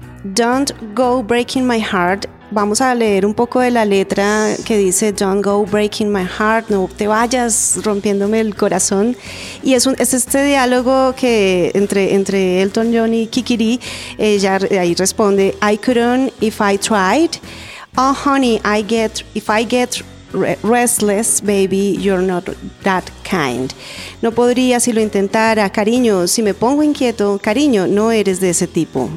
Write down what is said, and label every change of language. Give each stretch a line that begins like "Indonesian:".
Spanish: Don't Go Breaking My Heart. Vamos a leer un poco de la letra que dice Don't Go Breaking My Heart. No te vayas rompiéndome el corazón. Y es este diálogo que entre Elton John y Kiki D. Ella ahí responde
English: I couldn't if I tried. Oh honey, if I get restless, baby, you're not that kind.
Spanish: No podría si lo intentara, cariño, si me pongo inquieto, cariño, no eres de ese tipo.